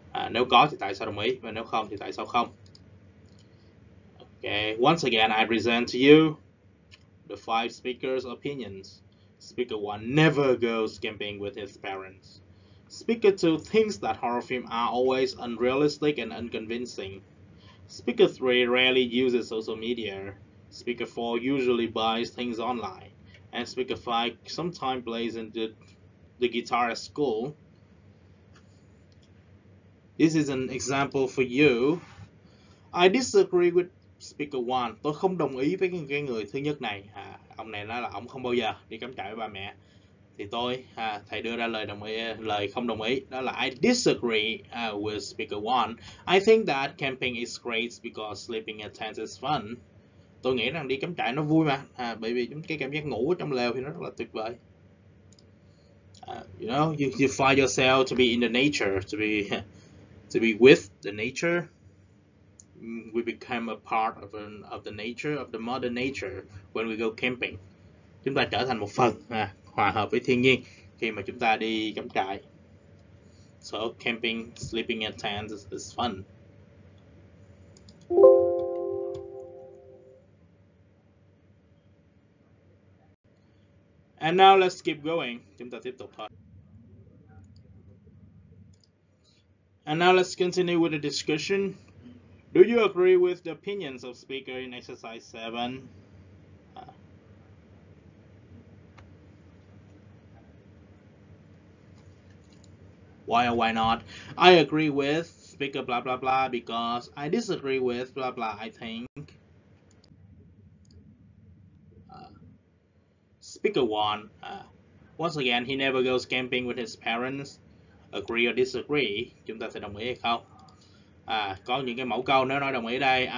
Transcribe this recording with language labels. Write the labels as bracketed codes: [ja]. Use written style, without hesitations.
[vi] Nếu có thì tại sao đồng ý? Và nếu không thì tại sao không? [en] Okay, once again, I present to you the five speakers' opinions. Speaker 1 never goes camping with his parents. Speaker 2 thinks that horror films are always unrealistic and unconvincing. Speaker 3 rarely uses social media. Speaker 4 usually buys things online. And speaker 5 sometimes plays the guitar at school. This is an example for you. I disagree with speaker one, [vi] tôi không đồng ý với cái người thứ nhất này. À, ông này nói là ông không bao giờ đi cắm trại với ba mẹ. Thì tôi, à, thầy đưa ra lời đồng ý, lời không đồng ý. Đó là [en] I disagree with speaker one. I think that camping is great because sleeping in a tent is fun. [vi] Tôi nghĩ rằng đi cắm trại nó vui mà. À, bởi vì cái cảm giác ngủ trong lều thì nó rất là tuyệt vời. [en] You know, you find yourself to be in the nature, to be with the nature. We become a part of the nature, of the mother nature when we go camping. [vi] Chúng ta trở thành một phần, à, hòa hợp với thiên nhiên khi mà chúng ta đi cắm trại. [en] So camping, sleeping in tents is fun. And now let's keep going. [vi] Chúng ta tiếp tục thôi. [en] And now let's continue with the discussion. Do you agree with the opinions of speaker in exercise 7? Why or why not? I agree with speaker blah blah blah because I disagree with blah blah, I think. Speaker 1, once again, he never goes camping with his parents. Agree or disagree? [vi] Chúng ta sẽ đồng ý hay không? Có những cái mẫu câu nếu nói đồng ý đây.